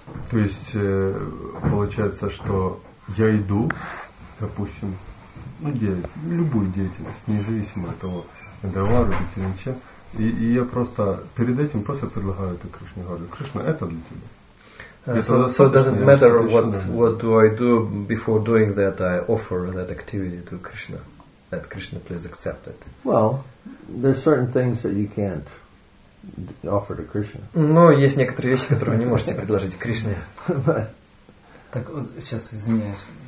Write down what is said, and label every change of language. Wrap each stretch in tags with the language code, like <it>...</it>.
<ru>То есть получается, что я иду, допустим, ну любую деятельность, независимо от того, давару или нечто. И я просто перед этим просто предлагаю это Кришне, говорю, Кришна, это для тебя.</ru> <en>So it doesn't matter what do I do before doing that, I offer that activity to Krishna, that Krishna please accept it. Well, there's certain things that you can't offer to Krishna.</en> <ru>Но есть некоторые вещи, которые вы не можете предложить Кришне. Так вот, сейчас извиняюсь.</ru>